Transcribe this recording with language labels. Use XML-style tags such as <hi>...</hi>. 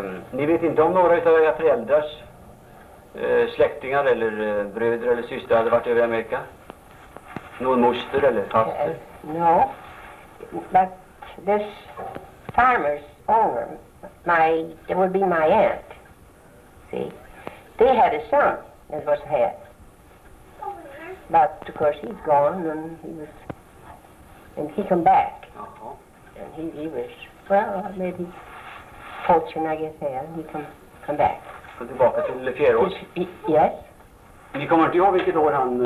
<sv>ni vet inte om några av era föräldrars släktingar eller bröder eller systrar hade varit över i Amerika? Någon moster eller faster?</sv> <en>No, but this farmer's owner, it would be my aunt, see, they had a son that was here, but of course he's gone and he come back, and he was, well, maybe... Fortune, I guess, here. He come back.</en> <sv>Kom tillbaka till Fjärås?</sv> <en>Yes.</en> <sv>Ni kommer inte ihåg vilket år han...</sv>